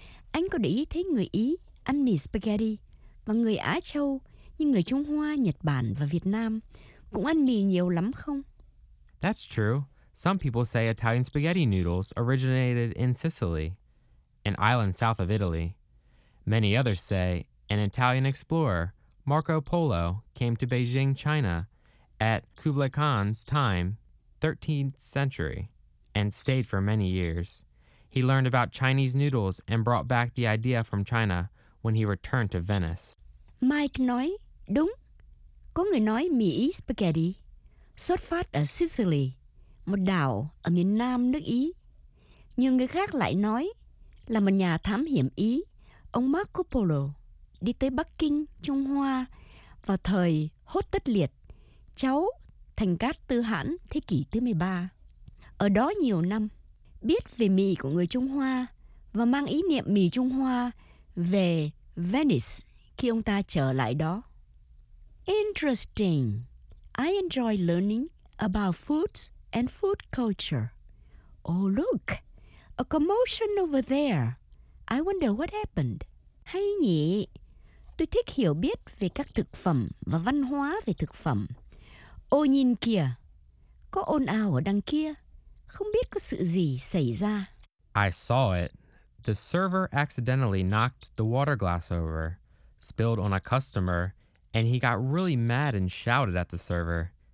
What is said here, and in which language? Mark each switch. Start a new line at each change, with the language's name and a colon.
Vietnamese: Anh có để ý thấy người Ý ăn mì spaghetti và người Á Châu như người Trung Hoa, Nhật Bản và Việt Nam cũng ăn mì nhiều lắm không?
English: That's true. Some people say Italian spaghetti noodles originated in Sicily, an island south of Italy. Many others say an Italian explorer, Marco Polo, came to Beijing, China at Kublai Khan's time, 13th century, and stayed for many years. He learned about Chinese noodles and brought back the idea from China when he returned to Venice.
Vietnamese: Mike nói, đúng. Có người nói mì Ý spaghetti xuất phát ở Sicily, một đảo ở miền nam nước Ý. Nhưng người khác lại nói là một nhà thám hiểm Ý, ông Marco Polo, đi tới Bắc Kinh, Trung Hoa vào thời Hốt Tất Liệt, cháu Thành Cát Tư Hãn thế kỷ thứ 13. Ở đó nhiều năm, biết về mì của người Trung Hoa và mang ý niệm mì Trung Hoa về Venice khi ông ta trở lại đó.
English: Interesting. I enjoy learning about foods and food culture. Oh, look. A commotion over there. I wonder what happened.
Vietnamese: Hay nhỉ? Tôi thích hiểu biết về các thực phẩm và văn hóa về thực phẩm. Ô nhìn kìa. Có ồn ào ở đằng kia. Không biết có sự gì xảy ra.
English: I saw it. The server accidentally knocked the water glass over, spilled on a customer, and he got really mad and shouted at the server.